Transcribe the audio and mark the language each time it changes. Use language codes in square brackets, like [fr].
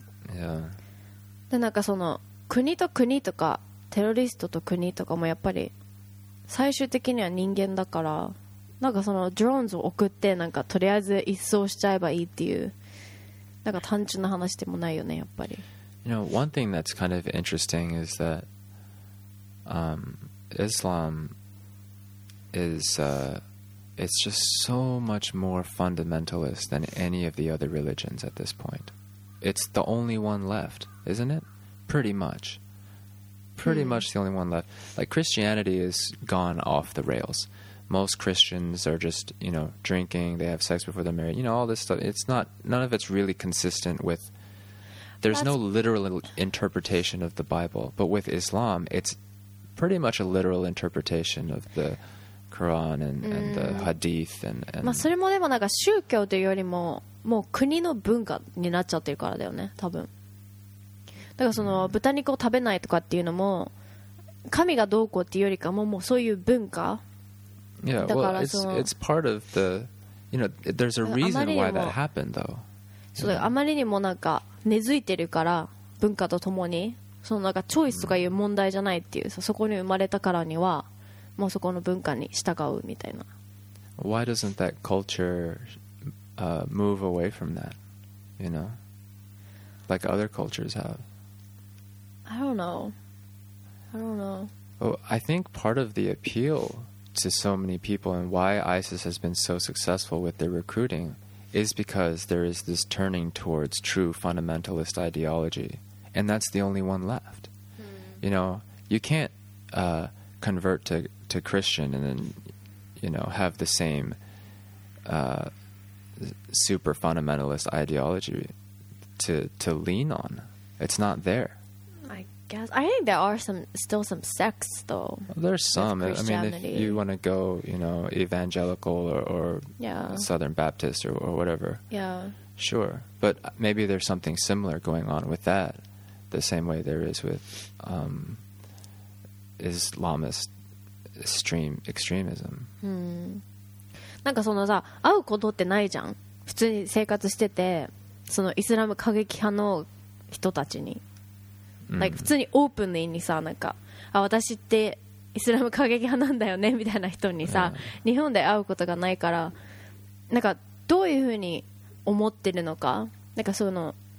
[en] yeah. [ja] でなんかその国と国とかテロリストと国とかもやっぱり最終的には人間だから、なんかそのドローンズを送ってなんかとりあえず一掃しちゃえばいいっていう、なんか単純な話でもないよねやっぱり。 [en] You know, one thing that's kind of interesting is that、Islam is、it's just so much more fundamentalist than any of the other religions at this point. It's the only one left, isn't it? Pretty much. Pretty、mm. much the only one left. Like Christianity is gone off the rails. Most Christians are just, you know, drinking, they have sex before they're married, you know, all this stuff. It's not, none of it's really consistent with, there's、That's... no literal interpretation of the Bible. But with Islam, it's pretty much a literal interpretation of the... Quran and the Hadith and [ja] まあそれもでもなんか宗教というよりももう国の文化になっちゃってるからだよね多分。だからその豚肉を食べないとかっていうのも神がどうこうっていうよりかもうそういう文化。 [en] Yeah, well, it's part of the, you know, there's a reason why that happened though. [ja] そうだ、あまりにもなんか根付いてるから文化とともに、そのなんかチョイスとかいう問題じゃないっていう、そこに生まれたからには。もうそこの文化に従うみたいな。 [en] Why doesn't that culture、move away from that? You know? Like other cultures have. I don't know. Well, I think part of the appeal to so many people and why ISIS has been so successful with their recruiting is because there is this turning towards true fundamentalist ideology. And that's the only one left.、Hmm. You know, you can't、convert to Christian and then, you know, have the same、super fundamentalist ideology to lean on. It's not there. I guess. I think there are still some sects, though. There's some. I mean, if you want to go, you know, evangelical or、 yeah. Southern Baptist or whatever. Yeah. Sure. But maybe there's something similar going on with that, the same way there is with、Islamist. Extremism、 [ja] うん、なんかそのさ会うことってないじゃん普通に生活しててそのイスラム過激派の人たちに、うん、普通にオープンにさなんかあ私ってイスラム過激派なんだよねみたいな人にさ、うん、日本で会うことがないからなんかどういうふうに思ってるのか、 なんかその